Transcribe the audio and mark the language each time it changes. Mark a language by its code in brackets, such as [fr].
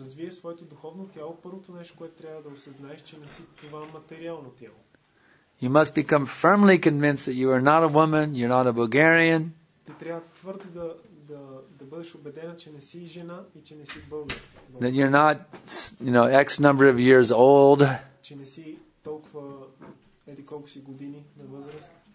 [bg] Своето духовно тяло, първото нещо, което трябва да осъзнаеш, че не си това материално тяло. [en] You must become firmly convinced that you are not a woman, you're not a Bulgarian. [bg] Ти трябва твърдо да бъдеш убедена, че не си жена и че не си българ. [en] That you're not, you know, X number of years old. [bg] Че не си толкова еди колко си години на възраст.